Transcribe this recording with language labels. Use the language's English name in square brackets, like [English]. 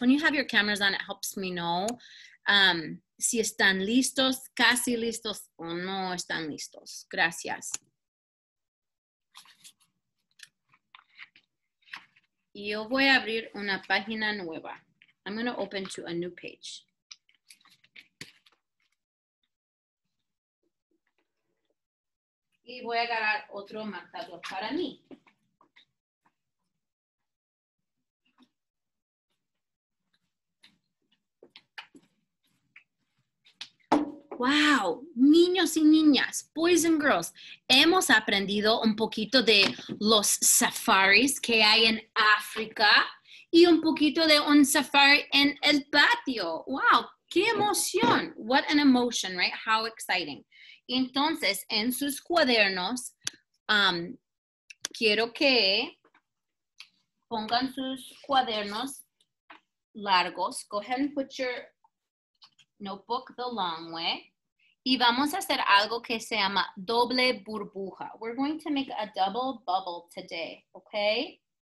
[English] When you have your cameras on, it helps me know. [Spanish] Si están listos, casi listos o no están listos. Gracias. Yo voy a abrir una página nueva. [English] I'm going to open to a new page. [Spanish] Y voy a agarrar otro marcador para mí. Wow, niños y niñas, [English] boys and girls, [Spanish] hemos aprendido un poquito de los safaris que hay en África y un poquito de un safari en el patio. [English] Wow, [Spanish] qué emoción. [English] What an emotion, right? How exciting. [Spanish] Entonces, en sus cuadernos, quiero que pongan sus cuadernos largos. [English] Go ahead and put your notebook the long way. [Spanish] Y vamos a hacer algo que se llama doble burbuja. [English] We're going to make a double bubble today, okay?